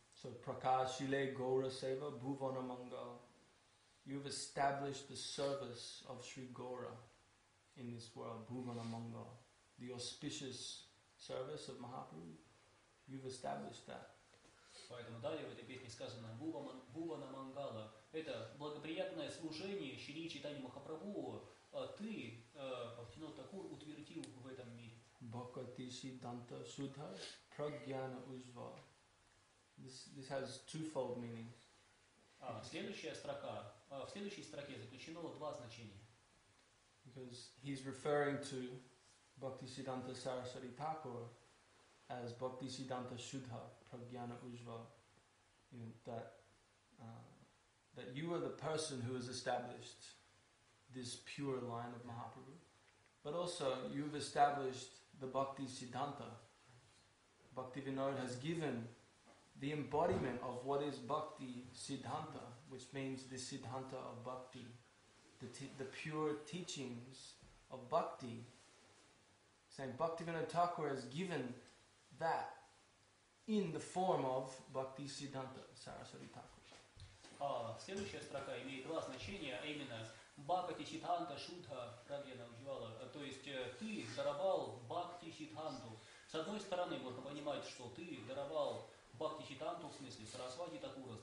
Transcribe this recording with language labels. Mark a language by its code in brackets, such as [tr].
[en] So, [bn] Prakashile Gaura Seva Bhuvana Mangala, [en] you have established the service of Sri Gaura in this world, Bhuvana Mangala, the auspicious service of Mahaprabhu, you've established that. [ru] Поэтому далее в этой песне сказано Бхувана Мангала. Это благоприятное служение Шри Чайтанья Махапрабху, ты, Бхактивинода Такур, утвердил в этом мире. [bn] Bhakti Siddhanta Sudha Pragyana Ujva. [en] This has twofold meaning. [ru] В следующей строке заключено два значения. [en] Because he's referring to Bhakti Siddhanta Saraswati Thakur as [bn] Bhakti Siddhanta Sudha Pragyana Ujva. [en] You know, that you are the person who has established this pure line of Mahaprabhu. But also, you've established the Bhakti Siddhanta. Bhaktivinoda has given the embodiment of what is Bhakti Siddhanta, which means the Siddhanta of Bhakti, the pure teachings of Bhakti. Saying Bhaktivinoda Thakur has given that in the form of Bhakti Siddhanta Saraswati Thakur. [ru] Следующая строка имеет два значения, а именно [bn] Бхакти Сиддханта Шудха Прагьяна Ужвала. [ru] То есть ты даровал Бхакти Сиддханту. С одной стороны, можно понимать, что ты даровал Бхакти Сиддханту, в смысле Сарасвати Такура.